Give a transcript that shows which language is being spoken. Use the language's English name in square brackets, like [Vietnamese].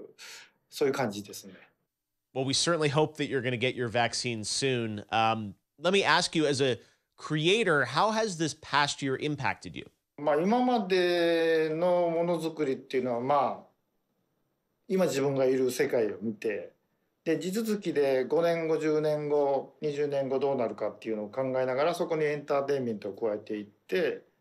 [Japanese] 東京ではですね、まだ非常事態宣言っていうのが出てて、ちょっとコロナの患者数が増えつつあると。で、ワクチンをそろそろ打ち出そうとしてる、そういう感じですね。Well, [English] we certainly hope that you're going to get your vaccine soon. Let me ask you, as a creator, how has this past year impacted you? [Japanese] まあ、今までのものづくりっていうのは、まあ、 今自分がいる世界を見て、で、地続きで5年後、10年後、20年後どうなるかっていうのを考えながら、そこにエンターテインメントを加えていって、